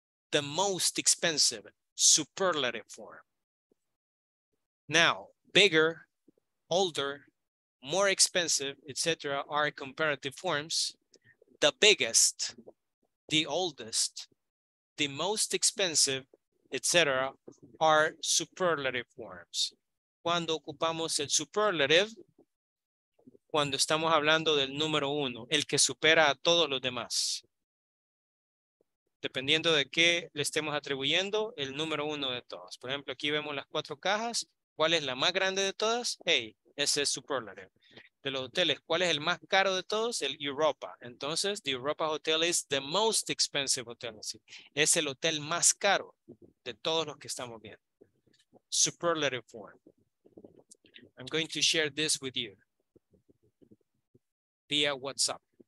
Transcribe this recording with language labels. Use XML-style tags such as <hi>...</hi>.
<en>The most expensive, superlative form. Now, bigger, older, more expensive, etc., are comparative forms. The biggest, the oldest, the most expensive, etc., are superlative forms.</en> <es>Cuando ocupamos el superlative, cuando estamos hablando del número uno, el que supera a todos los demás. Dependiendo de qué le estemos atribuyendo, el número uno de todos. Por ejemplo, aquí vemos las cuatro cajas. ¿Cuál es la más grande de todas? Hey, ese es superlative. De los hoteles, ¿cuál es el más caro de todos? El Europa. Entonces,</es> <en>the Europa Hotel is the most expensive hotel.</en> <es>Es el hotel más caro de todos los que estamos viendo.</es> <en>Superlative form. I'm going to share this with you via WhatsApp.</en>